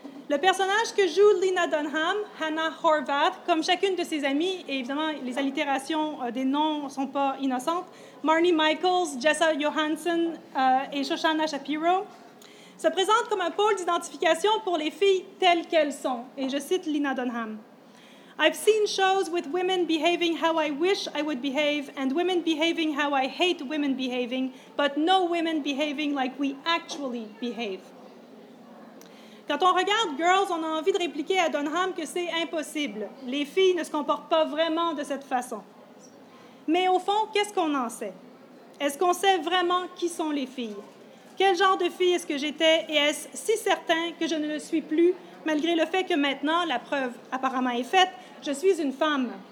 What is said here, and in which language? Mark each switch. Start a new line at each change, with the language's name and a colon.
French: Le personnage que joue Lena Dunham, Hannah Horvath, comme chacune de ses amies, et évidemment les allitérations des noms ne sont pas innocentes, Marnie Michaels, Jessa Johansson et Shoshana Shapiro, se présente comme un pôle d'identification pour les filles telles qu'elles sont. Et je cite Lena Dunham.
English: I've seen shows with women behaving how I wish I would behave and women behaving how I hate women behaving, but no women behaving like we actually behave.
French: Quand on regarde Girls, on a envie de répliquer à Dunham que c'est impossible. Les filles ne se comportent pas vraiment de cette façon. Mais au fond, qu'est-ce qu'on en sait? Est-ce qu'on sait vraiment qui sont les filles? Quel genre de fille est-ce que j'étais et est-ce si certain que je ne le suis plus, malgré le fait que maintenant, la preuve apparemment est faite, je suis une femme?